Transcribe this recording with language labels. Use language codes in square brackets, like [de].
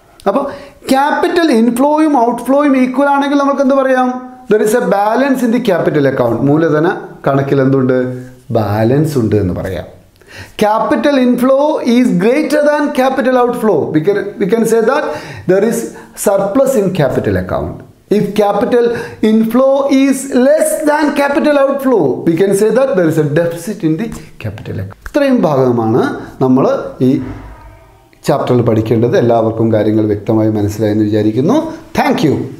[ml] അപ്പോൾ capital ഇൻഫ്ലോയും ഔട്ട്ഫ്ലോയും equal ആണെങ്കിൽ നമുക്ക് എന്ത് പറയാം? [en] there is a balance in the capital account, [ml] മൂലധന കണക്കിൽ എന്തുണ്ട്? ബാലൻസ് ഉണ്ട് എന്ന് പറയാം. [en] Capital inflow is greater than capital outflow, we can say that there is surplus in capital account. If capital inflow is less than capital outflow, we can say that there is a deficit in the capital account. [ml] ഇത്രയും ഭാഗമാണ് നമ്മൾ ഈ ചാപ്റ്ററിൽ പഠിക്കേണ്ടത്. എല്ലാവർക്കും കാര്യങ്ങൾ വ്യക്തമായി മനസ്സിലായെന്ന് വിചാരിക്കുന്നു. [en] Thank you.